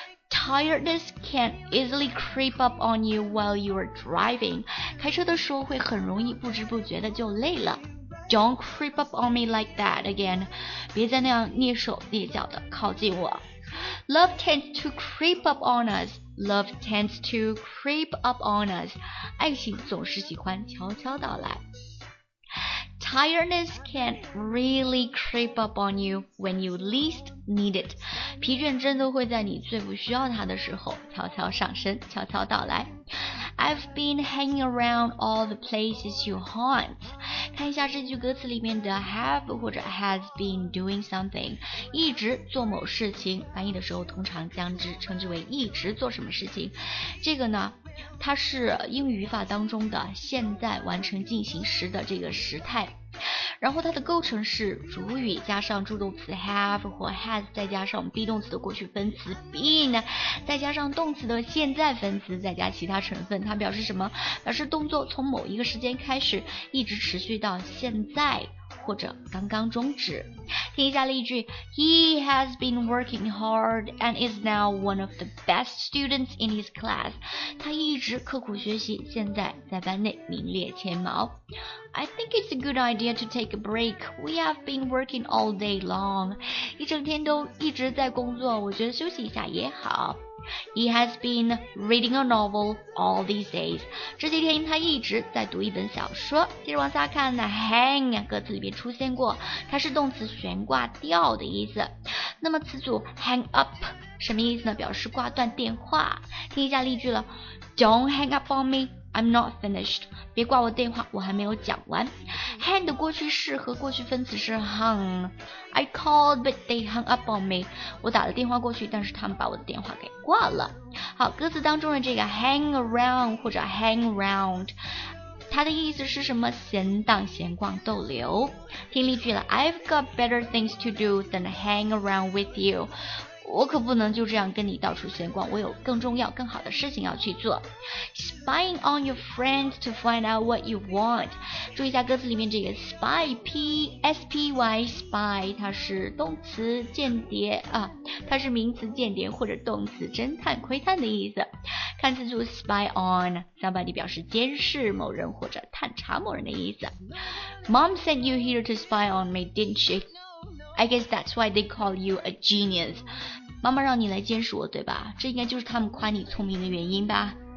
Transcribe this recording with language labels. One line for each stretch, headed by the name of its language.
English: Tiredness can easily creep up on you while you're driving，
Chinese: 开车的时候会很容易不知不觉的就累了。
English: Don't creep up on me like that again，
Chinese: 别再那样蹑手蹑脚的靠近我。
English: Love tends to creep up on us. Love tends to creep up on us.
Chinese: 爱情总是喜欢悄悄到来。
English: Tiredness can really creep up on you when you least need it.
Chinese: 疲倦真的会在你最不需要它的时候悄悄上身，悄悄到来。
English: I've been hanging around all the places you haunt.
Chinese: 看一下这句歌词里面的 have 或者 has been doing something， 一直做某事情，翻译的时候通常将之称之为一直做什么事情。这个呢，它是英语语法当中的现在完成进行时的这个时态，然后它的构成是主语加上助动词 have 或 has， 再加上 be 动词的过去分词 been， 再加上动词的现在分词，再加其他成分。它表示什么？表示动作从某一个时间开始一直持续到现在或者刚刚终止。听一下例句，
English: He has been working hard and is now one of the best students in his class.
Chinese: 他一直刻苦学习，现在在班内名列前茅。
English: I think it's a good idea to take a break. We have been working all day long.
Chinese: 一整天都一直在工作，我觉得休息一下也好。
English: He has been reading a novel all these days.
Chinese: 这几天他一直在读一本小说。接着往下看呢， hang 歌词里面出现过，它是动词悬挂吊的意思。那么词组 hang up 什么意思呢？表示挂断电话。听一下例句了，
English: Don't hang up on me, I'm not finished.
Chinese: 别挂我电话，我还没有讲完。 Hang 的过去式和过去分词是 hung。
English: I called, but they hung up on me.
Chinese: 我打了电话过去，但是他们把我的电话给挂了。好，歌词当中的这个 hang around 或者 hang round， 它的意思是什么？闲荡、闲逛、逗留。听例句了，
English: I've got better things to do than hang around with you.
Chinese: 我可不能就这样跟你到处闲逛，我有更重要、更好的事情要去做。
English: Spying on your friends to find out what you want.
Chinese: 注意一下歌词里面这个 spy, P S P Y spy， 它是动词间谍啊，它是名词间谍或者动词侦探、窥探的意思。看词组 spy on， somebody 表示监视某人或者探查某人的意思。
English: Mom sent you here to spy on me, didn't she? I guess that's why they call you a genius.
Chinese: 妈妈让你来监视我，对吧？这应该就是他们夸你聪明的原因吧。